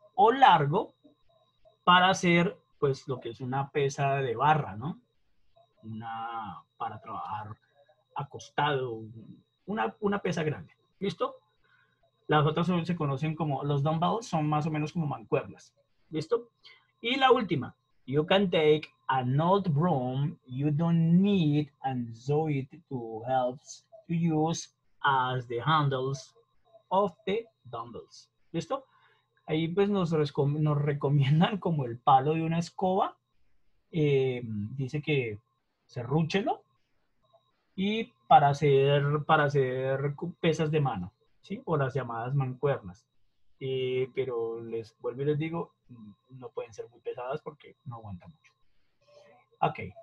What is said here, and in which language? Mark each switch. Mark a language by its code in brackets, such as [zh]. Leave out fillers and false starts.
[es] O largo para hacer, pues, lo que es una pesa de barra, ¿no? Una para trabajar acostado, una pesa grande, ¿listo? Las otras se conocen como, los dumbbells son más o menos como mancuernas, ¿listo? Y la última, [en] you can take an old broom you don't need and sew it to help to use as the handles of the dumbbells, [es] ¿listo? Ahí pues nos recomiendan como el palo de una escoba, dice que serrúchelo y para hacer pesas de mano, ¿sí? O las llamadas mancuernas. Pero les vuelvo y les digo, no pueden ser muy pesadas porque no aguanta mucho. Ok.